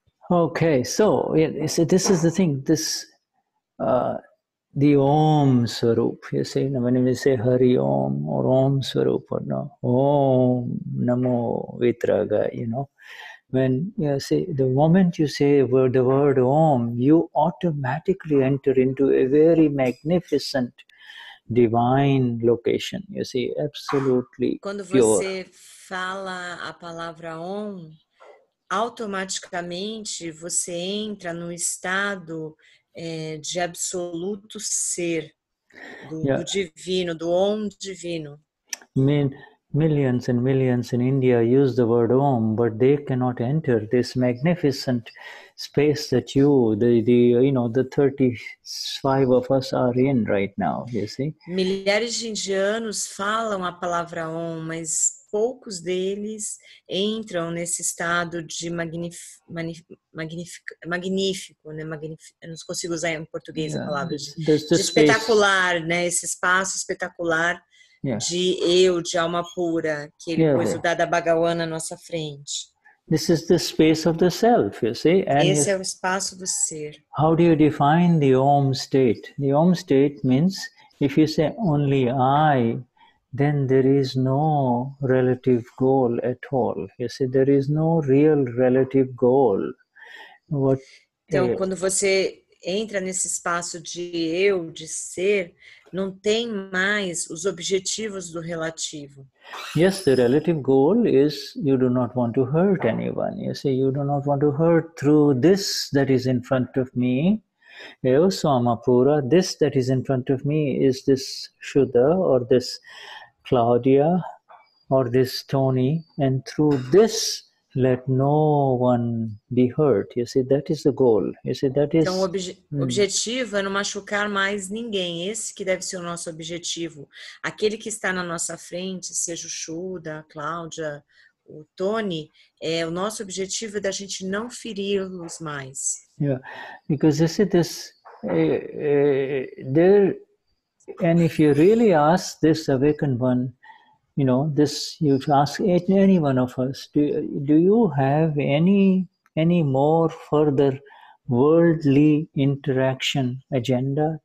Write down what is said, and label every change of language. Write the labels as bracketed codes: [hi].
[en] Okay, so this is the thing. The Om Swarupa, you say, when we say Hari Om or Om Swarupa, no, Om Namo Vitraga, you know, when you say, the moment you say the word Om, you automatically enter into a very magnificent divine location, you see, absolutely [pt] quando [en] pure. [pt] Quando você fala a palavra Om, automaticamente você entra no estado de absoluto ser, do divino, do Om divino. [en] Millions and millions in India use the word Om, but they cannot enter this magnificent space that you, the you know, the 35 of us are in right now, you see? [pt] Milhares de indianos falam a palavra Om, mas poucos deles entram nesse estado de magnífico, né? Eu não consigo usar em português a palavra. De espetacular, né? Esse espaço espetacular de eu, de alma pura, que ele pôs o Dada Bhagavan na nossa frente. [en] This is the space of the self, you see? [pt] And esse é o espaço do ser. [en] How do you define the Om state? The Om state means, if you say only I, then there is no relative goal at all. You see, there is no real relative goal. [pt] Então, quando você entra nesse espaço de eu, de ser, não tem mais os objetivos do relativo. [en] Yes, the relative goal is you do not want to hurt anyone. You see, you do not want to hurt through this that is in front of me. [pt] Eu sou Amapura. [en] This that is in front of me is this Shuddha or this Claudia or this Tony, and through this let no one be hurt. You see, that is the goal. You see, that is [pt] então, objetivo é não machucar mais ninguém. Esse que deve ser o nosso objetivo. Aquele que está na nossa frente, seja o Shuddha, a Claudia, o Tony, o nosso objetivo é da gente não feri-los mais. [en] Yeah, because you see this, there. And if you really ask this awakened one, you know, this, you ask any one of us, do you have any more further worldly interaction agenda?